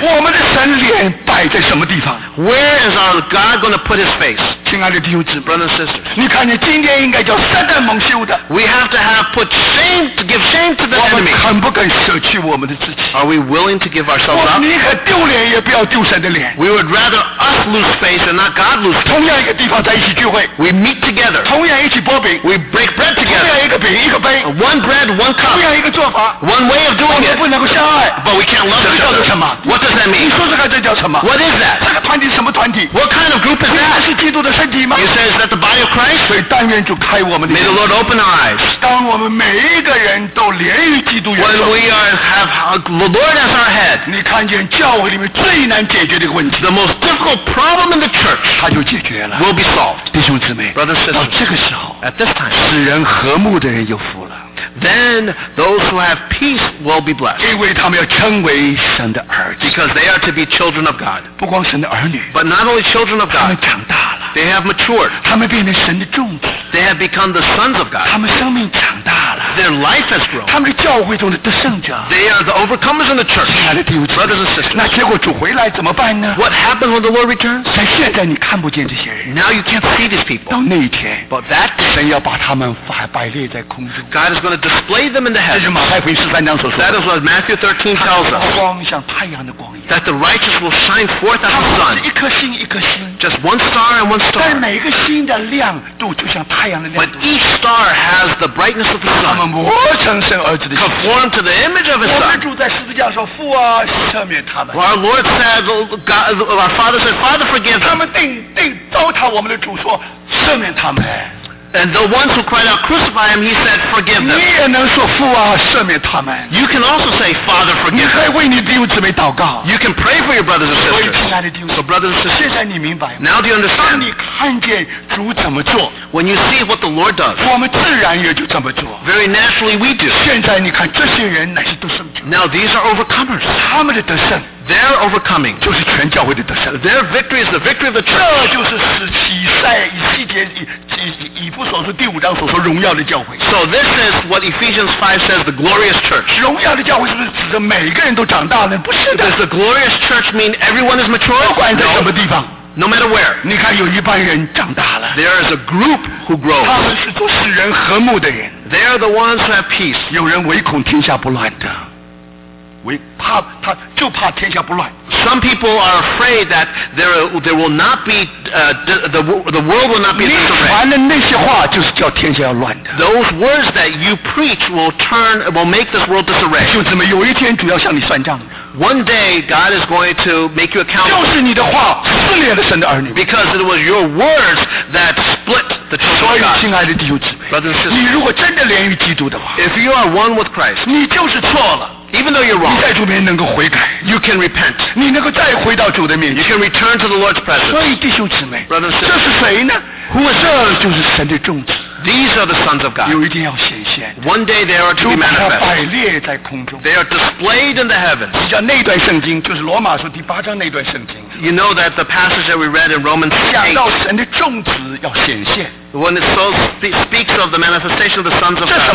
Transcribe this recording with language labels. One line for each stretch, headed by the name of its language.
Chinese: 我们的神脸摆在什么地方？
English: Where is our God going to put his face?
Chinese: 亲爱的弟兄姊妹，
English: Brothers and sisters,
Chinese: 你看见今天应该叫撒旦蒙羞的。
English: We have to have put shame, to give shame to the enemy.
Chinese: 我们肯不肯舍弃我们的自己？
English: Are we willing to give ourselves up?
Chinese: 我宁可丢脸也不要丢神的脸。
English: We would rather us lose face and not God lose face.
Chinese: 同样一个地方在一起聚会。
English: We meet together.
Chinese: 同样一起擘饼。
English: We break bread together.
Chinese: 同样一个饼一个杯。
English: One bread, one cup.
Chinese: 同样一个做法。
English: One way of doing it.
Chinese: 我们不能够相爱。
English: But we can't love each other. What does that mean?
Chinese: 你说这个这叫什么？
English: What is that?
Chinese: 这个团体什么团体？
English: What kind of group is that?
Chinese: 你是基督的身体吗？
English: You say, is that the body of Christ?
Chinese: 所以但愿主开我们的
English: 眼。 May the Lord open our eyes.
Chinese: 当我们每一个人都连于基督元首。
English: When we are, have the Lord as our head.
Chinese: 你看见教会里面最难解决的问题。
English: The most difficult problem in the church.
Chinese: 它就解决了。
English: Will be solved.
Chinese: 弟兄姊妹。
English: Brothers and sisters.
Chinese: 到这个时候。
English: At this time.
Chinese: 使人和睦的人有福了。
English: Then those who have peace will be blessed.
Chinese: 因为他们要称为神的儿子。
English: Because they are to be children of God.
Chinese: 不光神的儿女。
English: But not only children of God.
Chinese: 他们长大了。
English: They have matured.
Chinese: 他们变成神的种子。
English: They have become the sons of God.
Chinese: 他们生命长大了。
English: Their life has grown.
Chinese: 他们是教会中的得胜者。
English: They are the overcomers in the church.
Chinese: 亲爱的弟兄姊妹。
English: Brothers and sisters.
Chinese: 那结果主回来怎么办呢？
English: What happens when the Lord returns?
Chinese: 在现在你看不见这些人。
English: Now you can't see these people.
Chinese: 到那一天。
English: But that day,
Chinese: 神要把他们摆列在空中。
English: God is going to display them in the heavens. That is what Matthew 13 tells us.
Chinese: 光像太阳的光一样。
English: That the righteous will shine forth as the sun.
Chinese: 它是一颗星一颗星。
English: Just one star and one star.
Chinese: 但每一个星的亮度就像太阳的亮度。
English: But each star has the brightness of the sun.
Chinese: 他们磨成神儿子的。
English: Conformed to the image of his son.
Chinese: 我们主在十字架说，父啊，赦免他们。
English: Our Lord said, God, our Father said, Father, forgive them.
Chinese: 他们定糟蹋我们的主说，赦免他们。
English: And the ones who cried out, crucify him, he said, forgive them.
Chinese: 你也能说父啊，赦免他们。
English: You can also say, Father, forgive them.
Chinese: 你可以为你弟兄姊妹祷告。
English: You can pray for your brothers and sisters.
Chinese: 所以亲爱的弟兄姊妹，
English: So brothers and sisters,
Chinese: 现在你明白吗？
English: Now do you understand?
Chinese: 当你看见主怎么做，
English: When you see what the Lord does,
Chinese: 我们自然也就这么做。
English: Very naturally we do.
Chinese: 现在你看这些人乃是得胜者。
English: Now these are overcomers.
Chinese: 他们的得胜。
English: Their overcoming
Chinese: 就是全教会的得胜。
English: Their victory is the victory of the church.
Chinese: 这就是使以赛以西结以弗所书第五章所说荣耀的教会。
English: So this is what Ephesians 5 says, the glorious church.
Chinese: 荣耀的教会是不是指着每个人都长大了？不是的。
English: Does the glorious church mean everyone is mature?
Chinese: 不管在什么地方。
English: No matter where.
Chinese: 你看有一帮人长大了。
English: There is a group who grows.
Chinese: 他们是做使人和睦的人。
English: They are the ones who have peace.
Chinese: 有人唯恐天下不乱的。怕他就怕天下不乱。
English: Some people are afraid that there will not be the world will not be disarray.
Chinese: 你传的那些话就是叫天下要乱的。
English: Those words that you preach will make this world disarray.
Chinese: 就怎么有一天主要向你算账。
English: One day God is going to make you account.
Chinese: 就是你的话撕裂了神的儿女。
English: Because it was your words that split the church.
Chinese: 所以亲爱的弟兄姊妹，你如果真的连于基督的话，
English: If you are one with Christ,
Chinese: 你就是错了。
English: Even though you're wrong,
Chinese: 你在主面能够悔改。
English: You can repent.
Chinese: 你能够再回到主的面前。
English: You can return to the Lord's presence.
Chinese: 所以弟兄姊妹，
English: brothers and sisters,
Chinese: 这是谁呢？
English: Who is
Chinese: it? 这就是神的种子。
English: These are the sons of God.
Chinese: 有一天要显现。
English: One day they are to be manifest.
Chinese: 主把它摆列在空中。
English: They are displayed in the heavens.
Chinese: 你知道那段圣经，就是罗马书第八章那段圣经。
English: You know that the passage that we read in Romans 8.
Chinese: 讲到神的种子要显现。
English: When it so speaks of the manifestation of the sons of God,